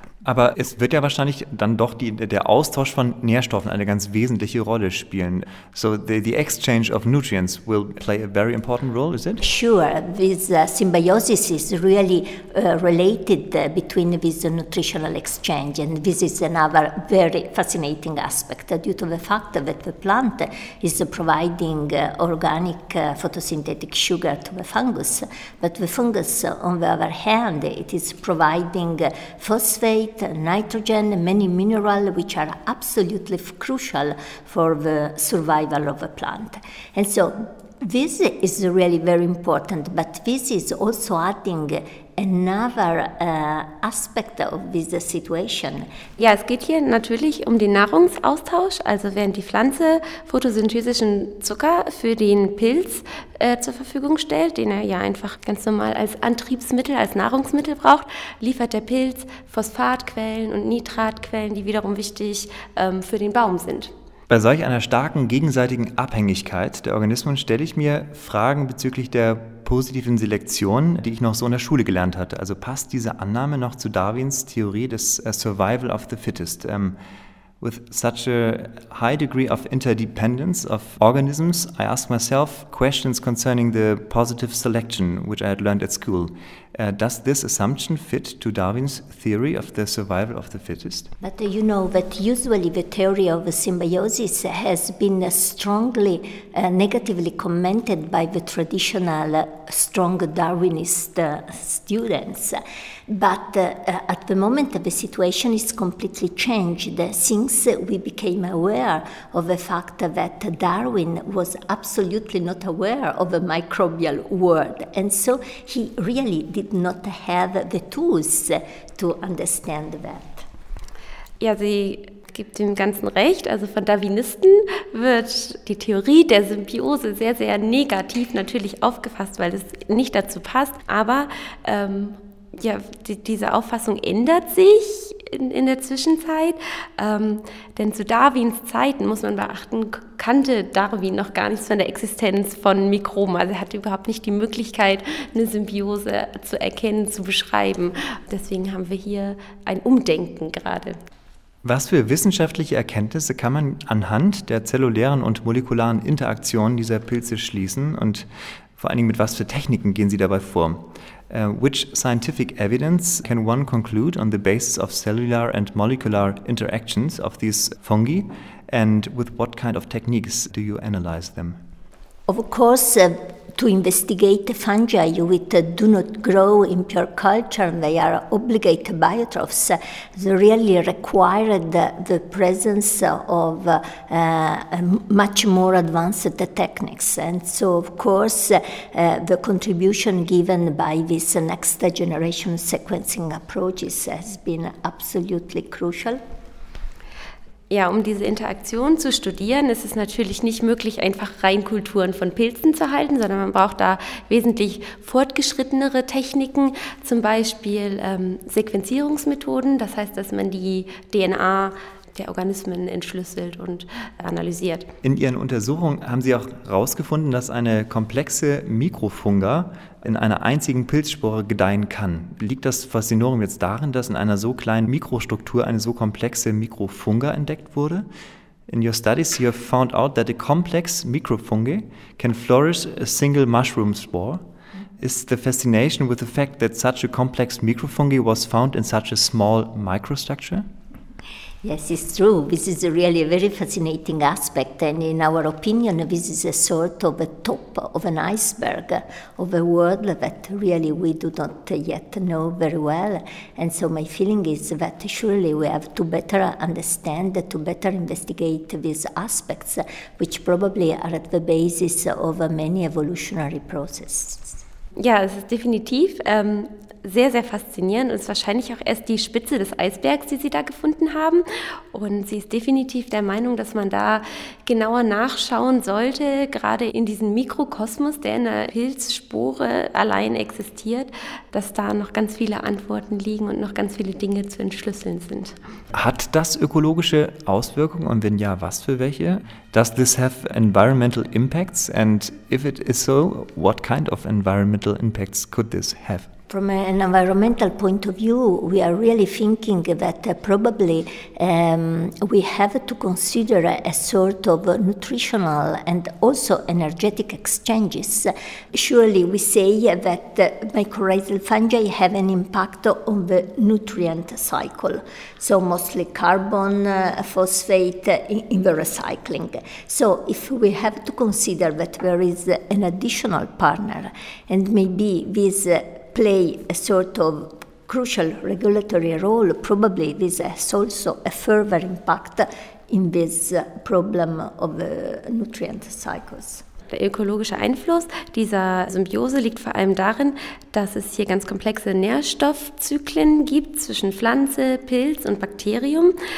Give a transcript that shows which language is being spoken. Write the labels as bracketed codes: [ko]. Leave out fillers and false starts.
[de] Aber es wird ja wahrscheinlich dann doch der Austausch von Nährstoffen eine ganz wesentliche Rolle spielen. [en] So the exchange of nutrients will play a very important role, is it? Sure. This symbiosis is really related between this nutritional exchange, and this is another very fascinating aspect due to the fact that the plant is providing organic photosynthetic sugar to the fungus, but the fungus, on the other hand, it is providing phosphate, nitrogen, many minerals which are absolutely crucial for the survival of a plant. And so this is really very important, but this is also adding another aspect of this situation. [de] Ja, es geht hier natürlich um den Nahrungsaustausch, also während die Pflanze photosynthetischen Zucker für den Pilz zur Verfügung stellt, den er ja einfach ganz normal als Antriebsmittel, als Nahrungsmittel braucht, liefert der Pilz Phosphatquellen und Nitratquellen, die wiederum wichtig für den Baum sind. Bei solch einer starken gegenseitigen Abhängigkeit der Organismen stelle ich mir Fragen bezüglich der positiven Selektion, die ich noch so in der Schule gelernt hatte. Also passt diese Annahme noch zu Darwins Theorie des Survival of the Fittest? [en] With such a high degree of interdependence of organisms, I ask myself questions concerning the positive selection, which I had learned at school. Does this assumption fit to Darwin's theory of the survival of the fittest? But you know that usually the theory of the symbiosis has been strongly negatively commented by the traditional strong Darwinist students. But at the moment the situation is completely changed since we became aware of the fact that Darwin was absolutely not aware of the microbial world. And so he really did not have the tools to understand that. [de] Ja, sie gibt dem Ganzen recht. Also von Darwinisten wird die Theorie der Symbiose sehr, sehr negativ natürlich aufgefasst, weil es nicht dazu passt. Aber diese Auffassung ändert sich in der Zwischenzeit. Denn zu Darwins Zeiten, muss man beachten, kannte Darwin noch gar nichts von der Existenz von Mikroben. Also er hatte überhaupt nicht die Möglichkeit, eine Symbiose zu erkennen, zu beschreiben. Deswegen haben wir hier ein Umdenken gerade. Was für wissenschaftliche Erkenntnisse kann man anhand der zellulären und molekularen Interaktion dieser Pilze schließen? Und vor allen Dingen, mit was für Techniken gehen Sie dabei vor? [en] Which scientific evidence can one conclude on the basis of cellular and molecular interactions of these fungi, and with what kind of techniques do you analyze them? Of course, to investigate fungi which do not grow in pure culture, they are obligate biotrophs, they really required the presence of much more advanced techniques. And so, of course, the contribution given by this next generation sequencing approaches has been absolutely crucial. [de] Ja, um diese Interaktion zu studieren, ist es natürlich nicht möglich, einfach rein Kulturen von Pilzen zu halten, sondern man braucht da wesentlich fortgeschrittenere Techniken, zum Beispiel Sequenzierungsmethoden, das heißt, dass man die DNA der Organismen entschlüsselt und analysiert. In Ihren Untersuchungen haben Sie auch herausgefunden, dass eine komplexe Mikrofunga in einer einzigen Pilzspore gedeihen kann. Liegt das Faszinorum jetzt darin, dass in einer so kleinen Mikrostruktur eine so komplexe Mikrofunga entdeckt wurde? [en] In your studies, you have found out that a complex microfungi can flourish a single mushroom spore. Is the fascination with the fact that such a complex microfungi was found in such a small microstructure? Yes, it's true. This is really a very fascinating aspect. And in our opinion, this is a sort of a top of an iceberg of a world that really we do not yet know very well. And so my feeling is that surely we have to better understand, to better investigate these aspects, which probably are at the basis of many evolutionary processes. [de] Ja, es ist definitiv sehr, sehr faszinierend und ist wahrscheinlich auch erst die Spitze des Eisbergs, die Sie da gefunden haben. Und sie ist definitiv der Meinung, dass man da genauer nachschauen sollte, gerade in diesem Mikrokosmos, der in der Pilzspore allein existiert, dass da noch ganz viele Antworten liegen und noch ganz viele Dinge zu entschlüsseln sind. Hat das ökologische Auswirkungen und wenn ja, was für welche? [en] Does this have environmental impacts? And if it is so, what kind of environmental impacts could this have? From an environmental point of view, we are really thinking that probably we have to consider a sort of nutritional and also energetic exchanges. Surely we say that mycorrhizal fungi have an impact on the nutrient cycle, so mostly carbon, phosphate in the recycling. So if we have to consider that there is an additional partner and maybe this play a sort of crucial regulatory role, probably this has also a further impact in this problem of the nutrient cycles. [de] Der ökologische Einfluss dieser Symbiose liegt vor allem darin, dass es hier ganz komplexe Nährstoffzyklen gibt zwischen Pflanze, Pilz und Bakterium.